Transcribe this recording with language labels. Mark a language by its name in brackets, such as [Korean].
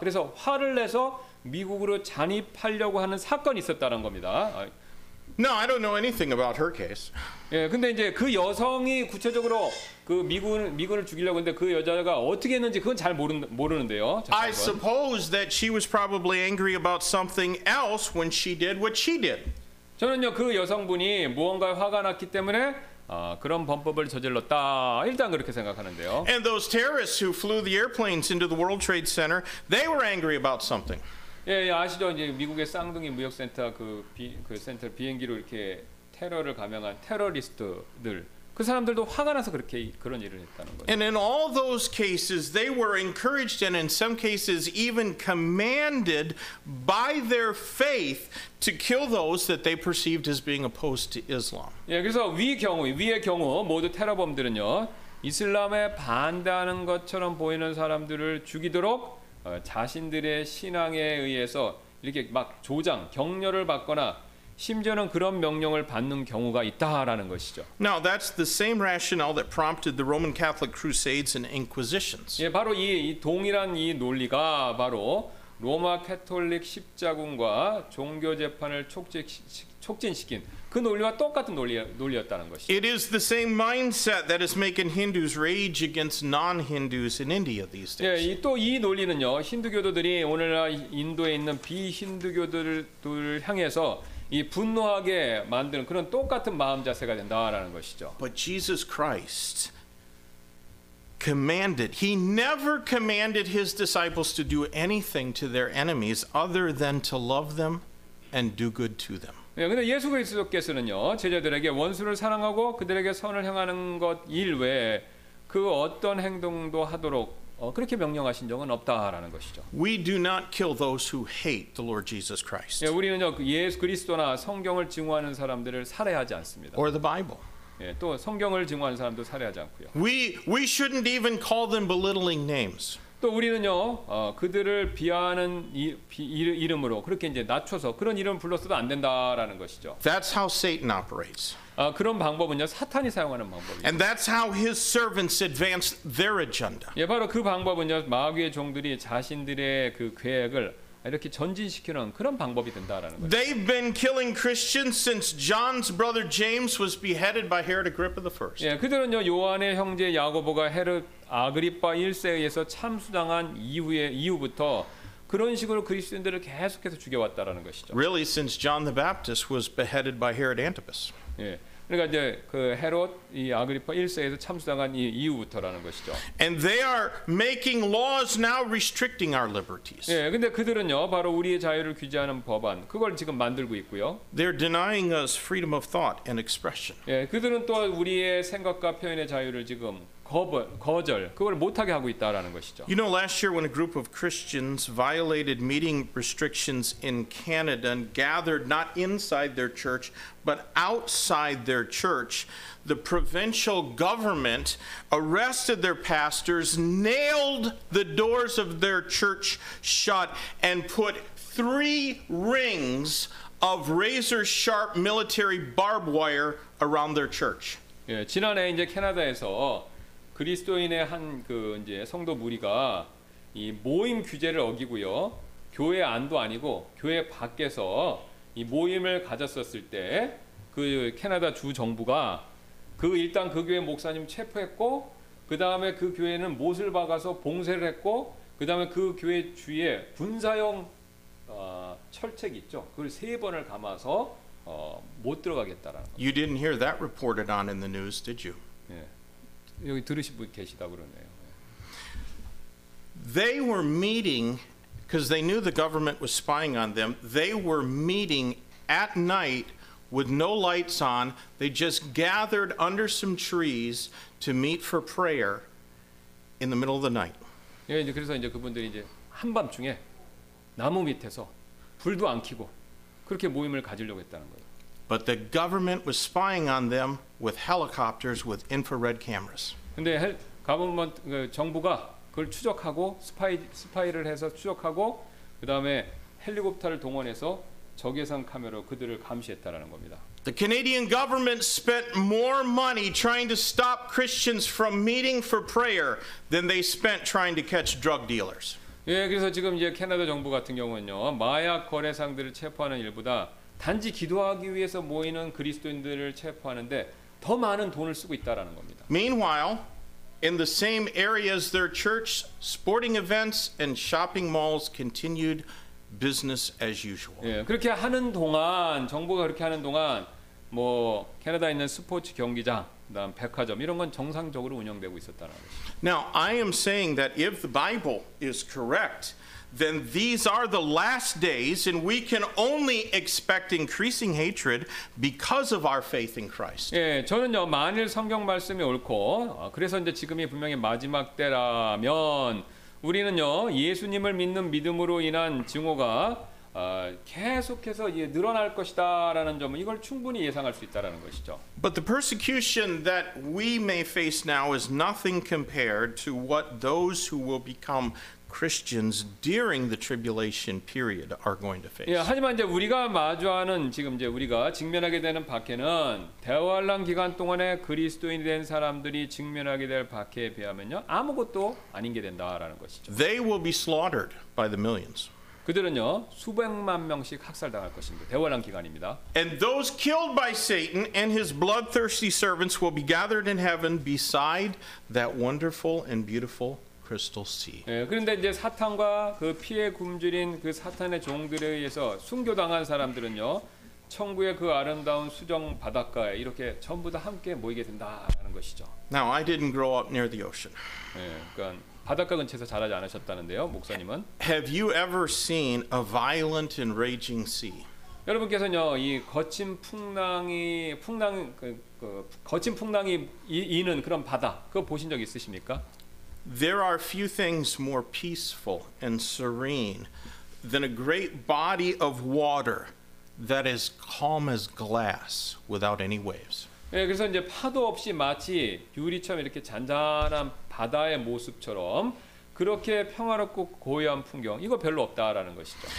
[Korean] 그래서 화를 내서 미국으로 잔입하려고 하는 사건이 있었다는 겁니다. [English] No, I don't know anything about her case. [Korean] 예, 근데 이제 그 여성이 구체적으로 그 미군을 죽이려고 했는데 그 여자가 어떻게 했는지 그건 잘 모르는데요. [English] I suppose that she was probably angry about something else when she did what she did. [Korean] 저는요, 그 여성분이 무언가에 화가 났기 때문에 그런 범법을 저질렀다. 일단 그렇게 생각하는데요. [English] And those terrorists who flew the airplanes into the World Trade Center, they were angry about something. [Korean] 예, 예, 아시죠? 이제 미국의 쌍둥이 무역센터 그 센터 비행기로 이렇게 테러를 감행한 테러리스트들 그 사람들도 화가 나서 그렇게 그런 일을 했다는 거예요. [English] And in all those cases, they were encouraged and in some cases even commanded by their faith to kill those that they perceived as being opposed to Islam. [Korean] 예, 그래서 위의 경우 모두 테러범들은요 이슬람에 반대하는 것처럼 보이는 사람들을 죽이도록. 자신들의 신앙에 의해서 이렇게 막 조장, 격려를 받거나 심지어는 그런 명령을 받는 경우가 있다라는 것이죠. [English] Now that's the same rationale that prompted the Roman Catholic Crusades and Inquisitions. [Korean] 예, 바로 이 동일한 이 논리가 바로 로마 캐톨릭 십자군과 종교 재판을 촉진시킨 그 논리와 똑같은 논리였다는 것이죠. [English] It is the same mindset that is making Hindus rage against non-Hindus in India these days. [Korean] 예, 또 이 논리는요. 힌두교도들이 오늘날 인도에 있는 비힌두교도들을 향해서 이 분노하게 만드는 그런 똑같은 마음 자세가 된다라는 것이죠. [English] But Jesus Christ commanded. He never commanded his disciples to do anything to their enemies other than to love them and do good to them. [Korean] 예, 근데 예수 그리스도께서는요 제자들에게 원수를 사랑하고 그들에게 선을 행하는 것 일 외에 그 어떤 행동도 하도록 그렇게 명령하신 적은 없다라는 것이죠. [English] We do not kill those who hate the Lord Jesus Christ. [Korean] 예, 우리는 예수 그리스도나 성경을 증오하는 사람들을 살해하지 않습니다. [English] Or the Bible. [Korean] 예, 또 성경을 증오하는 사람도 살해하지 않고요. [English] We shouldn't even call them belittling names. [Korean] 또 우리는요, 그들을 비하하는 이름으로 그렇게 이제 낮춰서 그런 이름 불렀어도 안 된다라는 것이죠. [English] That's how Satan operates. [Korean] 그런 방법은요, 사탄이 사용하는 방법이에요. [English] And that's how his servants advance their agenda. [Korean] 예, 바로 그 방법은요, 마귀의 종들이 자신들의 그 계획을 이렇게 전진시키는 그런 방법이 된다라는 거죠. [English] They've been killing Christians since John's brother James was beheaded by Herod Agrippa the First. [Korean] 예, 그들은요, 요한의 형제 야고보가 헤롯 아그리파 1세에서 참수당한 이후부터 그런 식으로 그리스도인들을 계속해서 죽여왔다라는 것이죠. [English] Really, since John the Baptist was beheaded by Herod Antipas. [Korean] 예, 그러니까 이제 그 헤롯 이 아그리파 1세에서 참수당한 이후부터라는 것이죠. [English] And they are making laws now restricting our liberties. [Korean] 예, 근데 그들은요, 바로 우리의 자유를 규제하는 법안 그걸 지금 만들고 있고요. [English] They're denying us freedom of thought and expression. [Korean] 예, 그들은 또 우리의 생각과 표현의 자유를 지금 거절 그걸 못 하게 하고 있다라는 것이죠. [English] You know, last year when a group of Christians violated meeting restrictions in Canada and gathered not inside their church but outside their church, the provincial government arrested their pastors, nailed the doors of their church shut, and put three rings of razor sharp military barbed wire around their church. [Korean] 예, 지난해 이제 캐나다에서 그리스도인의 한 그 이제 성도 무리가 이 모임 규제를 어기고요. 교회 안도 아니고 교회 밖에서 이 모임을 가졌었을 때 그 캐나다 주 정부가 그 일단 그 교회 목사님 체포했고 그다음에 그 교회는 못을 박아서 봉쇄를 했고 그다음에 그 교회 주위에 군사용 철책 있죠. 그걸 세 번을 감아서 못 들어가겠다라는 [English] 거. You didn't hear that reported on in the news, did you? [Korean] 여기 들으신 분 계시다 그러네요. [English] They were meeting because they knew the government was spying on them. They were meeting at night with no lights on. They just gathered under some trees to meet for prayer in the middle of the night. [Korean] 예, 이제 그래서 이제 그분들이 이제 한밤중에 나무 밑에서 불도 안 켜고 그렇게 모임을 가지려고 했다는 거예요. [English] But the government was spying on them with helicopters with infrared cameras. [Korean] 근데 정부가 그걸 추적하고 스파이를 해서 추적하고 그다음에 헬리콥터를 동원해서 적외선 카메라로 그들을 감시했다라는 겁니다. [English] The Canadian government spent more money trying to stop Christians from meeting for prayer than they spent trying to catch drug dealers. [Korean] 예, 그래서 지금 이제 캐나다 정부 같은 경우는요. 마약 거래상들을 체포하는 일보다 단지 기도하기 위해서 모이는 그리스도인들을 체포하는데 더 많은 돈을 쓰고 있다라는 겁니다. [English] Meanwhile, in the same areas their church sporting events and shopping malls continued business as usual. [Korean] 예, 그렇게 하는 동안 정부가 그렇게 하는 동안 뭐 캐나다에 있는 스포츠 경기장, 그다음 백화점 이런 건 정상적으로 운영되고 있었다라는 거죠. [English] Now, I am saying that if the Bible is correct, then these are the last days and we can only expect increasing hatred because of our faith in Christ. [Korean] 예, 저는요 만일 성경 말씀이 옳고 그래서 이제 지금이 분명히 마지막 때라면 우리는요 예수님을 믿는 믿음으로 인한 증오가 계속해서 이제 늘어날 것이다라는 점은 이걸 충분히 예상할 수 있다라는 것이죠. [English] But the persecution that we may face now is nothing compared to what those who will become Christians during the tribulation period are going to face. [Korean] 예, 하지만 이제 우리가 마주하는 지금 이제 우리가 직면하게 되는 박해는 대환란 기간 동안에 그리스도인이 된 사람들이 직면하게 될 박해에 비하면요 아무것도 아닌 게 된다라는 것이죠. [English] They will be slaughtered by the millions. [Korean] 그들은요 수백만 명씩 학살당할 것입니다. 대환란 기간입니다. [English] And those killed by Satan and his bloodthirsty servants will be gathered in heaven beside that wonderful and beautiful. [Korean] 예, 그런데 이제 사탄과 그 피에 굶주린 그 사탄의 종들에 의해서 순교당한 사람들은요 천국의 그 아름다운 수정 바닷가에 이렇게 전부 다 함께 모이게 된다라는 것이죠. [English] Now I didn't grow up near the ocean. [Korean] 예, 그러니까 바닷가 근처에서 자라지 않으셨다는데요, 목사님은. [English] Have you ever seen a violent and raging sea? [Korean] 여러분께서는요 이 거친 풍랑이 풍랑 그 그 거친 풍랑이 이는 그런 바다 그거 보신 적 있으십니까? [English] There are few things more peaceful and serene than a great body of water that is calm as glass without any waves. [Korean] 예, 그래서 이제 파도 없이 마치 유리처럼 이렇게 잔잔한 바다의 모습처럼 그렇게 평화롭고 고요한 풍경 이거 별로 없다라는 것이죠.